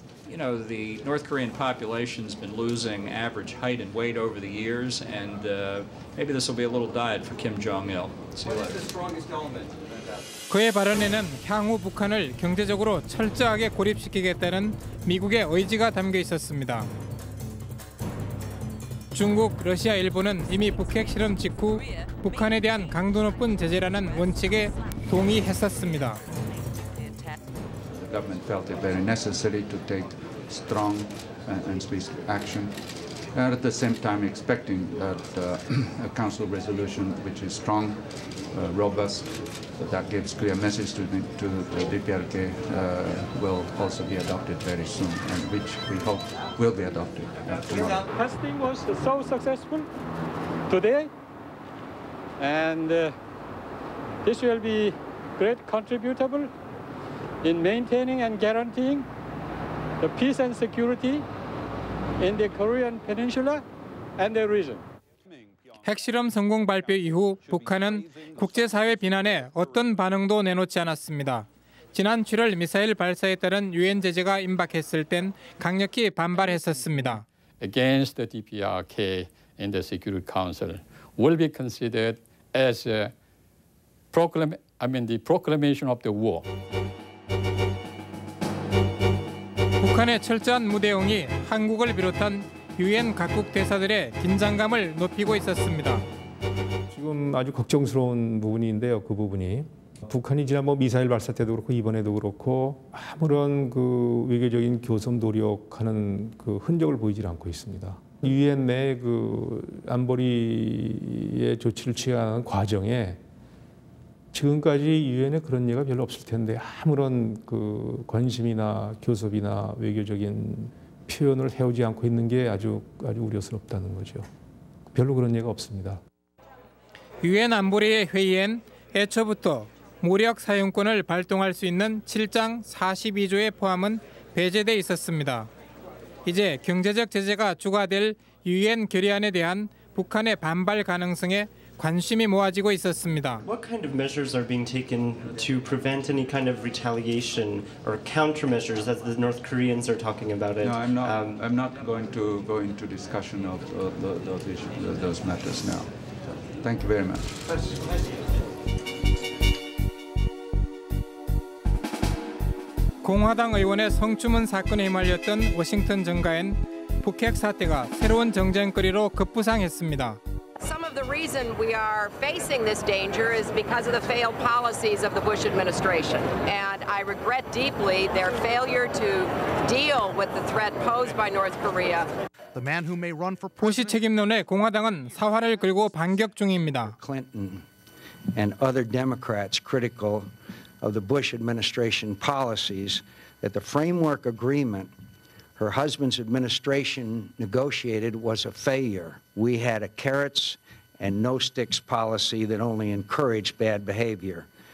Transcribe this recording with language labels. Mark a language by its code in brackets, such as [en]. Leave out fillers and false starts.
[en] You know, the North Korean population has been losing average height and weight over the years, and maybe this will be a little diet for Kim Jong-il. See what is the strongest element? [ko] 그의 발언에는 향후 북한을 경제적으로 철저하게 고립시키겠다는 미국의 의지가 담겨 있었습니다. 중국, 러시아, 일본은 이미 북핵 실험 직후 북한에 대한 강도 높은 제재라는 원칙에 동의했었습니다. [en] government felt it very necessary to take strong and swift action And at the same time, expecting that a council resolution which is strong, robust, that gives clear message to the DPRK will also be adopted very soon, and which we hope will be adopted tomorrow. Testing was so successful today, and this will be great contributable in maintaining and guaranteeing the peace and security in the Korean Peninsula and the region. [ko] 핵실험 성공 발표 이후 북한은 국제사회 비난에 어떤 반응도 내놓지 않았습니다. 지난 7월 미사일 발사에 따른 유엔 제재가 임박했을 땐 강력히 반발했었습니다. [en] Against the DPRK in the Security Council will be considered as a proclamation of the war. [ko] 북한의 철저한 무대응이 한국을 비롯한 유엔 각국 대사들의 긴장감을 높이고 있었습니다. 지금 아주 걱정스러운 부분인데요. 그 부분이 북한이 지난 뭐 미사일 발사 때도 그렇고 이번에도 그렇고 아무런 그 외교적인 교섭 노력하는 그 흔적을 보이질 않고 있습니다. 유엔 내 그 안보리의 조치를 취하는 과정에 지금까지 유엔에 그런 예가 별로 없을 텐데 아무런 그 관심이나 교섭이나 외교적인 표현을 해오지 않고 있는 게 아주 우려스럽다는 거죠. 별로 그런 예가 없습니다. 유엔 안보리의 회의엔 애초부터 무력 사용권을 발동할 수 있는 7장 42조의 포함은 배제돼 있었습니다. 이제 경제적 제재가 추가될 유엔 결의안에 대한 북한의 반발 가능성에 관심이 모아지고 있었습니다. [en] What kind of measures are being taken to prevent any kind of retaliation or countermeasures as the North Koreans are talking about it? No, I'm not going to go into discussion of those matters now. Thank you very much. [ko] 공화당 의원의 성추문 사건에 휘말렸던 워싱턴 정가엔 북핵 사태가 새로운 정쟁거리로 급부상했습니다. [en] Some of the reason we are facing this danger is because of the failed policies of the Bush administration. And I regret deeply their failure to deal with the threat posed by North Korea. The man who may run for president. [ko] 부시 책임론에 공화당은 사활을 걸고 반격 중입니다. [en] Clinton and other Democrats critical of the Bush administration policies that the framework agreement her husband's administration negotiated was a failure. We had a carrots and no sticks policy that only encouraged bad behavior.